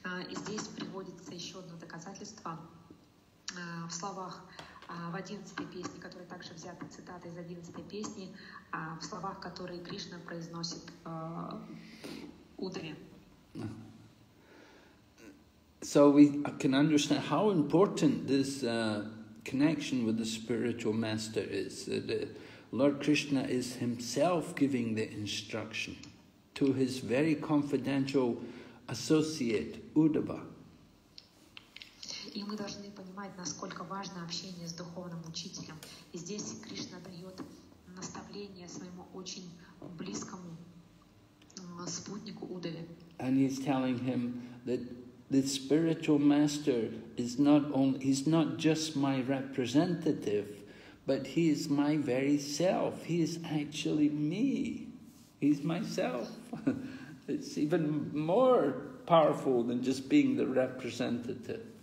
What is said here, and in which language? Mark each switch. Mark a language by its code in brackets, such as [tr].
[ru] И здесь приводится еще одно доказательство в словах в 11-й песне, которая также взята цитата из 11-й песни, в словах, которые Кришна произносит Удаве. [en] So we can understand how important this connection with the spiritual master is. Lord Krishna is himself giving the instruction to his very confidential associate, Uddhava. [ru] И мы должны понимать, насколько важно общение с духовным учителем. И здесь Кришна дает наставление своему очень близкому спутнику Удаве. [en] And he's telling him that the spiritual master is not only, he's not just my representative, but he is my very self. He is actually me. He's myself. It's even more powerful than just being the representative.